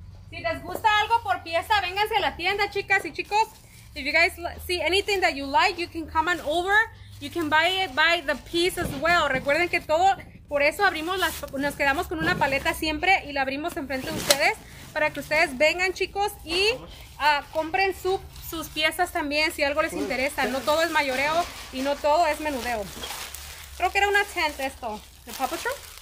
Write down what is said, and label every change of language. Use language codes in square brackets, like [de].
[es] Si les gusta algo por pieza, vénganse a la tienda, chicas y chicos. [en] If you guys see anything that you like, you can come on over. You can buy it by the piece as well. [es] Recuerden que todo, por eso abrimos las, nos quedamos con una paleta siempre y la abrimos enfrente de ustedes para que ustedes vengan, chicos, y compren sus piezas también si algo les interesa. No todo es mayoreo y no todo es menudeo. Creo que era una tent esto, ¿de Paw Patrol?